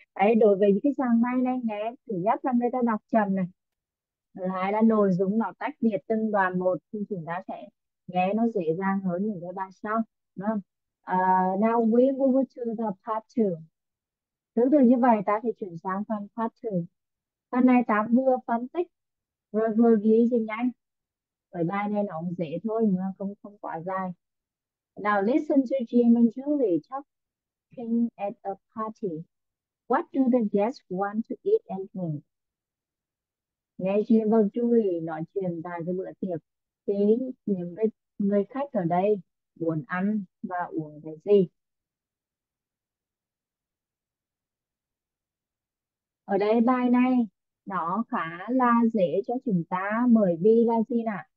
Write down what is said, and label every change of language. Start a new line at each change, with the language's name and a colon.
Vietnamese: Đấy, đối với những cái trang mail này nghe, thứ nhất là người ta đọc chậm này, thứ hai là nội dung nó tách biệt từng đoạn một thì chúng ta sẽ nghe nó dễ dàng hơn những cái bài sau, đúng không?
English: Now we move to the part 2.
Vietnamese: Tương tự như vậy ta sẽ chuyển sang phần part 2. Phần này ta vừa phân tích rồi vừa ghi cho nhanh. Bởi bài này nó cũng dễ thôi mà không không quá dài.
English: Now listen to Jim and Julie talking at a party. What do the guests want to eat and drink?
Vietnamese: Nghe Jim và Julie nói chuyện tại cái bữa tiệc, thế những cái người khách ở đây muốn ăn và uống cái gì? Ở đây bài này nó khá là dễ cho chúng ta bởi vì là gì nè?